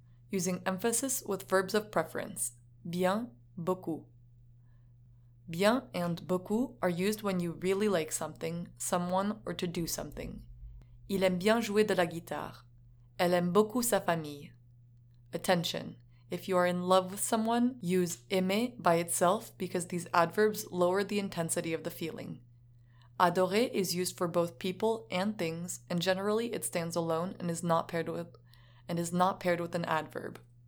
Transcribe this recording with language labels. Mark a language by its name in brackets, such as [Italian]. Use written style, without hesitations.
[English] Using emphasis with verbs of preference. Bien, beaucoup. Bien and beaucoup are used when you really like something, someone, or to do something. [French] Il aime bien jouer de la guitare. Elle aime beaucoup sa famille. [English] Attention! If you are in love with someone, use aimer by itself because these adverbs lower the intensity of the feeling. Adorer is used for both people and things, and generally it stands alone and is not paired with an adverb.